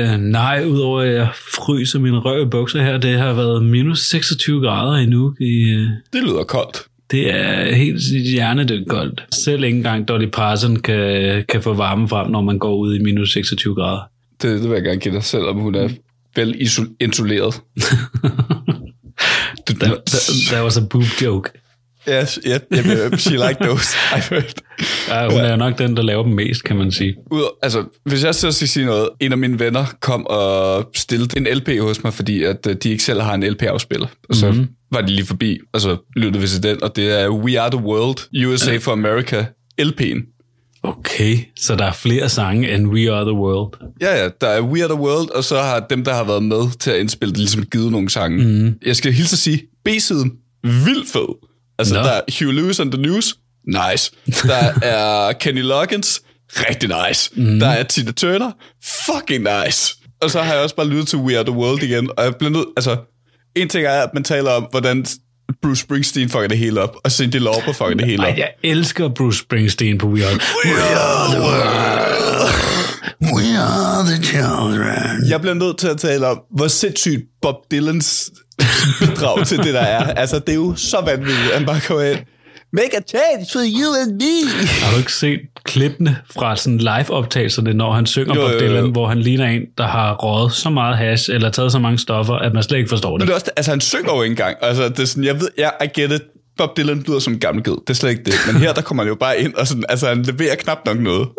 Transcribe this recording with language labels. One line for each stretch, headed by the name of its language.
Danish: Nej, udover at jeg fryser mine røv i bukser her, det har været minus 26 grader endnu. Det lyder koldt. Det er helt hjernedødt koldt. Selv ikke engang Dolly Parton kan få varme frem, når man går ud i minus 26 grader. Det vil jeg gerne give dig, selvom hun er vel isoleret.
English: That was a boob joke. Yes, yep, yep, she liked those, I felt.
Danish: Ja, hun er nok den, der laver dem mest, kan man sige. Ud, altså, hvis jeg skal sige noget, en af mine venner kom og stillede en LP hos mig, fordi at de ikke selv har en LP-afspiller. Og så var de lige forbi, og så lyttede vi til den, og det er We Are The World, USA for America, LP'en. Okay, så der er flere sange end We Are The World. Ja, ja, der er We Are The World, og så har dem, der har været med til at indspille det, ligesom givet nogle sange. Mm. Jeg skal hilse at sige, B-siden, vildt fed. Altså, der er Huey Lewis and the News, nice. Der er Kenny Loggins, rigtig nice. Mm. Der er Tina Turner, fucking nice. Og så har jeg også bare lyttet til We Are The World igen, og jeg blev nødt, altså, en ting er, at man taler om, hvordan Bruce Springsteen fucker det hele op, og Cindy Lauper fucker det hele op. Jeg elsker Bruce Springsteen på We Are
English: The World. We Are The World. We Are The Children.
Danish: Jeg bliver nødt til at tale om, hvor sindssygt Bob Dylans bidrag til det, der er. Altså, det er jo så vanvittigt, at han bare kommer ind.
English: Make a change for you and me.
Danish: Har du ikke set klippene fra sådan live-optagelserne, når han synger Bob Dylan, hvor han ligner en, der har røget så meget hash eller taget så mange stoffer, at man slet ikke forstår det? Det er også, altså, han synger jo ikke engang. Altså, det er sådan, jeg ved,
English: I get it.
Danish: Bob Dylan lyder som en gammel ged. Det er slet ikke det. Men her, der kommer han jo bare ind, og sådan, altså, han leverer knap nok noget.